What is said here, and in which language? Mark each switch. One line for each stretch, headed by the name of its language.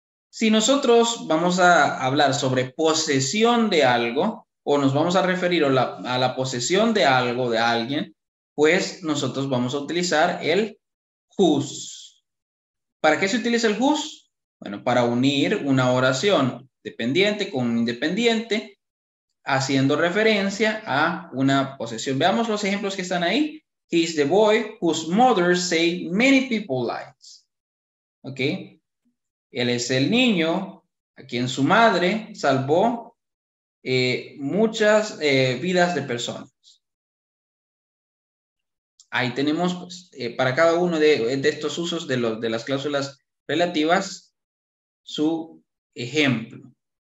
Spanish: Si nosotros vamos a hablar sobre posesión de algo, o nos vamos a referir a la posesión de algo, de alguien, pues nosotros vamos a utilizar el whose. ¿Para qué se utiliza el whose? Bueno, para unir una oración dependiente con independiente, haciendo referencia a una posesión. Veamos los ejemplos que están ahí.
English: He's the boy whose mother saved many people's lives. ¿Ok?
Spanish: Él es el niño a quien su madre salvó muchas vidas de personas. Ahí tenemos, pues, para cada uno de estos usos de las cláusulas relativas, su ejemplo.